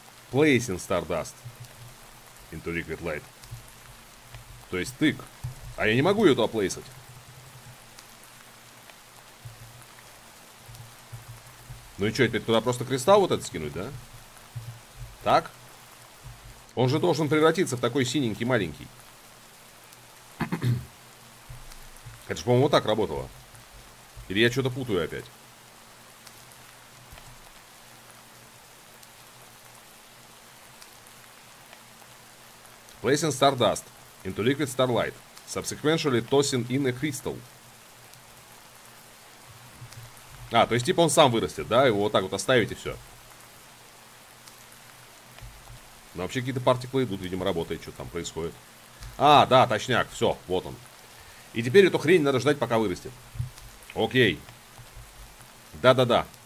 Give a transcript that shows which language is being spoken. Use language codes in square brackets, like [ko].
[en] Placing Stardust into Liquid Light. [ru] То есть тык. А я не могу ее туда плейсать. Ну и что, теперь туда просто кристалл вот этот скинуть, да? Так? Он же должен превратиться в такой синенький маленький. Это же, по-моему, вот так работало. Или я что-то путаю опять? [en] Placing stardust into liquid starlight. Subsequently tossing in a crystal. [ru] А, то есть типа он сам вырастет, да? Его вот так вот оставить и все. Но вообще какие-то партиклы идут, видимо, работает, что там происходит. А, да, точняк, все, вот он. И теперь эту хрень надо ждать, пока вырастет. Окей. Да-да-да.